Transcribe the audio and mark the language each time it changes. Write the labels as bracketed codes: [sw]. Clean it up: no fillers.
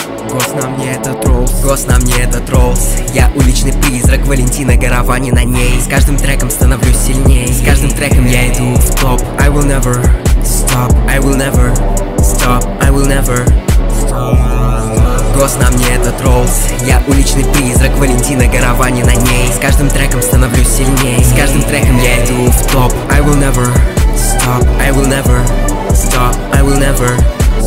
[ru] Гос на мне этот ролл. Я уличный призрак, Валентина Каравани на ней. С каждым треком становлюсь сильней. С каждым треком я иду в топ. [en] I will never stop, I will never stop, I will never stop. [ru] Гос на мне этот ролл. Я уличный призрак, Валентина Каравани на ней. С каждым треком становлюсь сильней. С каждым треком я иду в топ. [en] I will never stop, I will never stop, I will never stop.